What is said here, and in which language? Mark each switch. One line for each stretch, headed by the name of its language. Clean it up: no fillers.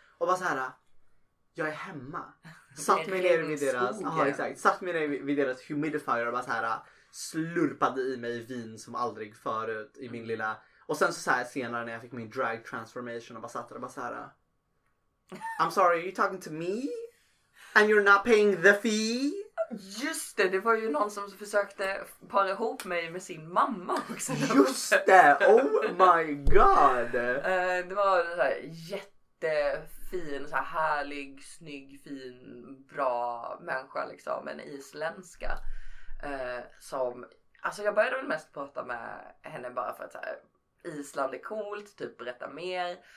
Swedish: Och bara så här, jag är hemma. Satt mig ner vid deras, humidifier och bara så här slurpade i mig vin som aldrig förut i min lilla. Och sen så här senare när jag fick min drag transformation och bara satt där och bara så här,
English: I'm sorry, are you talking to me? And you're not paying the fee?
Swedish: Just det, det var ju någon som försökte para ihop mig med sin mamma också. Just det.
English: Oh my god.
Swedish: Det var så här jättefin, så här härlig, snygg, fin, bra människa liksom, en isländska som, alltså jag började väl mest prata med henne bara för att så här, Island är coolt, typ berätta mer.